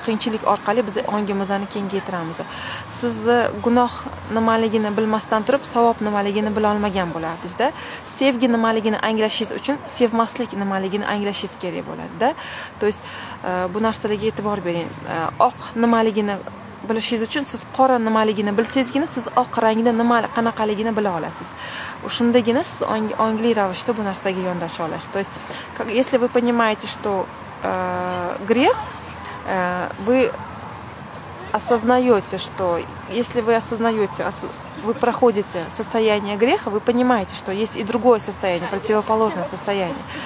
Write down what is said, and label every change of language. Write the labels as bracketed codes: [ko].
[uz] Қиынчилик орқали биз онгимизни кеңейтирамиз. Сиз гуноҳ нималигини билмасдан туриб, савоб нималигини била олмаган бўлардингиз-да. Севги нималигини англашингиз учун севмаслик нималигини англашингиз керак бўлади-да. [ru] То есть [uz] бу нарсаларга эътибор беринг. Оқ нималигини bilishingiz uchun siz qora nimaligini bilsangizgina siz oq rangda nima qanaqaligini bila olasiz. Shundagina siz ongli ravishda bu narsaga yondasha olasiz. [ru] То есть, если вы понимаете, что грех, вы осознаёте, что если вы осознаёте, вы проходите состояние греха, вы понимаете, что есть и другое состояние, противоположное состояние.